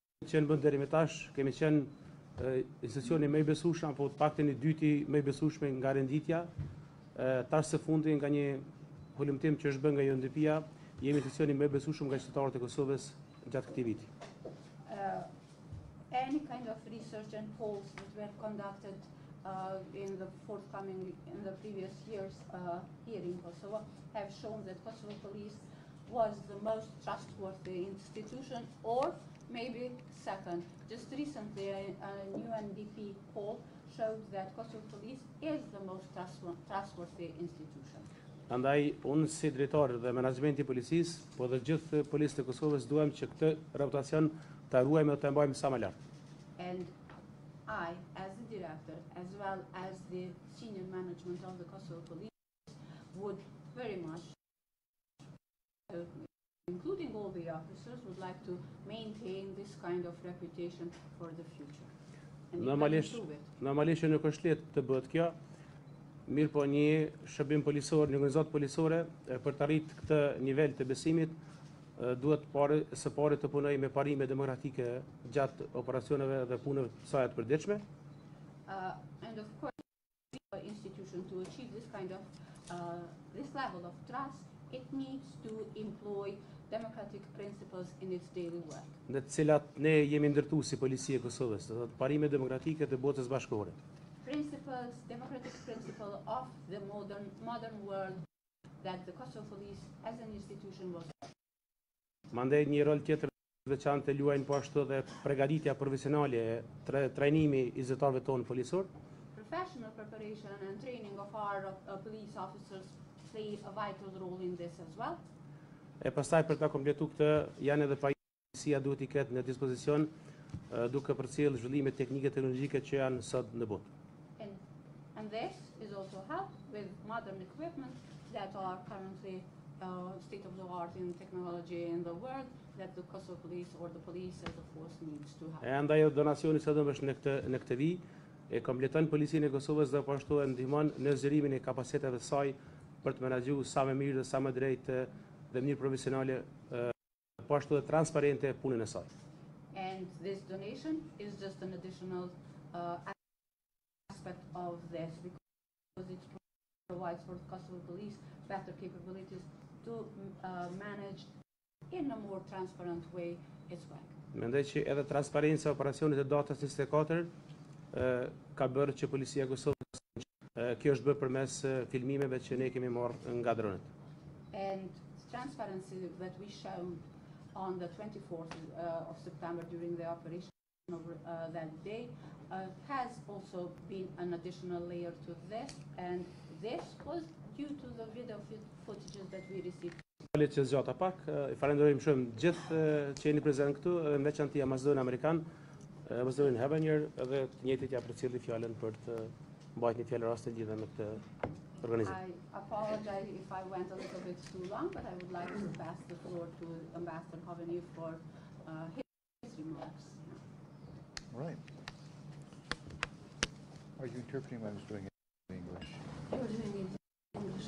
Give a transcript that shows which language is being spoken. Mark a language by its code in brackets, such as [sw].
[sq] Qenë bëndë deri me tash, kemi qenë institucioni me i besushme, apo të pakten i dyti me i besushme nga renditja, tash se fundi nga një hulumtim që është bën nga UNDP-ja, jemi institucioni më besueshëm nga qytetarët e Kosovës gjatë këtij viti. [en] Any kind of research and polls that were conducted in the forthcoming, in the previous years here in Kosovo have shown that Kosovo police was the most trustworthy institution, or maybe second. Just recently, a new UNDP poll showed that Kosovo police is the most trustworthy institution. And I, [sq] unë si drejtori dhe menaxhmenti policisë, po dhe gjithë policët e Kosovës, duam që këtë reputacion ta ruajmë dhe ta mbajmë sa më lart. [en] And I, as the director, as well as the senior management of the Kosovo police, would very much, including all the officers, would like to maintain this kind of reputation for the future. [sq] Normalisht nuk është lehtë të bëhet kjo, mirë po një shërbim polisor, një organizat polisore, për të arritë këtë nivel të besimit, duhet së pari të punoj me parime demokratike gjatë operacioneve dhe punëve të saj të përditshme. [en] And of course, the institution to achieve this kind of this level of trust, it needs to employ democratic principles in its daily work. [sq] Në të cilat ne jemi ndërtu si policia e Kosovës, të parime demokratike të botës bashkore. [en] Principles, democratic principle of the modern world that the Kosovo police as an institution was. [sq] Mandej një rol tjetër veçante luajnë po ashtu dhe pregaditja profesionale, trajnimi i zyrtarëve tonë policor. [en] Professional preparation and training of our police officers play a vital role in this as well. [sq] E pastaj për ta kompletu këtë, janë edhe pajisia duhet i ketë në dispozicion duke përcjellë zhvillimet teknike teknologjike që janë sot në botë. [en] And this is also helped with modern equipment that are currently state of the art in technology in the world that the Kosovo police or the police as a force needs to have. [sq] And ajo donacionit që dëmbësh në këtë vit e kompleton policinë e Kosovës dhe po ashtu ndihmon në zgjerimin e kapaciteteve të saj për të menaxhuar sa më mirë dhe sa më drejt dhe mënyrë profesionale po ashtu dhe transparente punën e saj. [en] And this donation is just an additional aspect of this because it provides for the Kosovo police better capabilities to manage in a more transparent way its work. [sq] Mendoj që edhe transparenca e operacionit të datës 24 ka bërë që policia e Kosovës kjo është bërë përmes filmimeve që ne kemi marrë nga dronët. [en] And transparency that we showed on the 24th of September during the operation of that day has also been an additional layer to this, and this was due to the video footages that we received. [sq] Falit që zgjata pak, i falenderojim shumë gjithë që jeni prezent këtu, edhe në veçanti ambasadorin amerikan, ambasadorin Hebenier, edhe të njëjtit ja përcjelli fjalën për të mbajtë një fjalë rast të gjithë me këtë organizim. [en] I apologize if I went a little bit too long, but I would like to pass the floor to Ambassador Hebenier for his remarks. All right. Are you interpreting what I was doing in English? You were doing it in English.